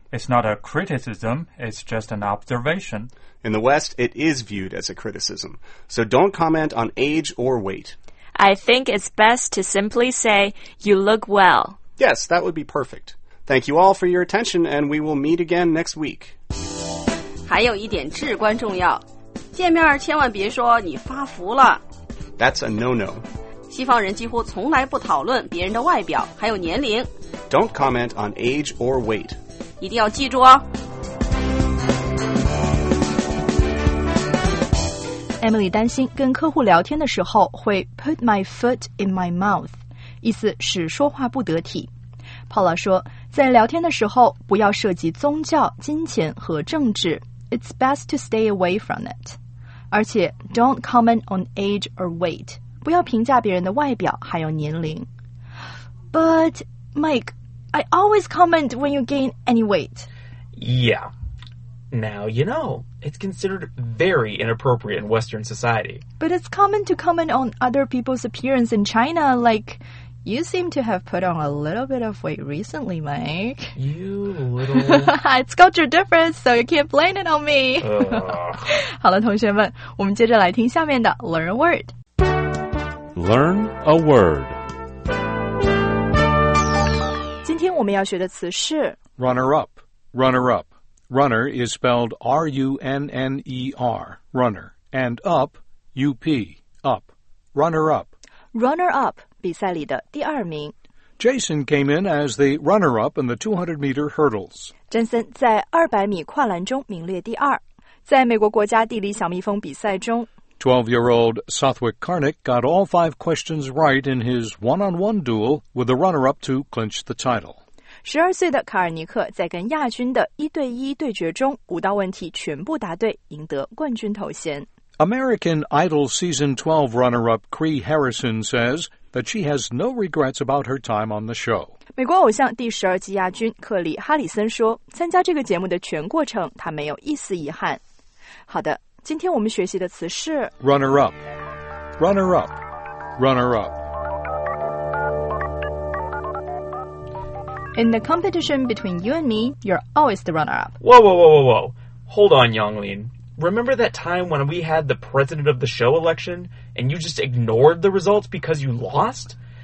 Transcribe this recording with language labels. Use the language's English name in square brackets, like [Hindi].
[English] It's not a criticism, it's just an observation. In the West, it is viewed as a criticism. So don't comment on age or weight. I think it's best to simply say, you look well. Yes, that would be perfect. Thank you all for your attention, and we will meet again next week. [Chinese] 还有一点至关重要，见面千万别说你发福了。 [English] That's a no-no. [Chinese] 西方人几乎从来不讨论别人的外表，还有年龄。 [English] Don't comment on age or weight. [Chinese] 一定要记住哦。 Emily 担心跟客户聊天的时候会 [English] put my foot in my mouth， [Chinese] 意思是说话不得体。 Paula 说，在聊天的时候不要涉及宗教、金钱和政治， [English] It's best to stay away from it， [Chinese] 而且 [English] don't comment on age or weight， [Chinese] 不要评价别人的外表还有年龄。 [English] But Mike， I always comment when you gain any weight。 Yeah。 Now, you know, it's considered very inappropriate in Western society. But it's common to comment on other people's appearance in China, like, you seem to have put on a little bit of weight recently, Mike. You little... it's culture difference, so you can't blame it on me. [Chinese] 好了，同学们，我们接着来听下面的 Learn a Word. [English] Learn a Word. [Chinese] 今天我们要学的词是 [English] Runner up, runner up. Runner is spelled R-U-N-N-E-R, runner, and up, U-P, up, runner-up. [Chinese] Runner-up, 比赛里的第二名。 [English] Jason came in as the runner-up in the 200-meter hurdles. [Chinese] Jason 在200米跨栏中名列第二。在美国国家地理小蜜蜂比赛中 [English] 12-year-old Southwick Carnick got all five questions right in his one-on-one duel with the runner-up to clinch the title. [Chinese] 12岁的卡尔尼克在跟亚军的一对一对决中五道问题全部答对，赢得冠军头衔。 [English] American Idol Season 12 runner-up Cree Harrison says that she has no regrets about her time on the show. [Chinese] 美国偶像第十二季亚军克里·哈里森说，参加这个节目的全过程他没有一丝遗憾。好的，今天我们学习的词是 [English] runner-up, runner-up, runner-up. In the competition between you and me, you're always the runner-up. Whoa, whoa, whoa, whoa, whoa. Hold on, Yonglin. Remember that time when we had the president of the show election and you just ignored the results because you lost?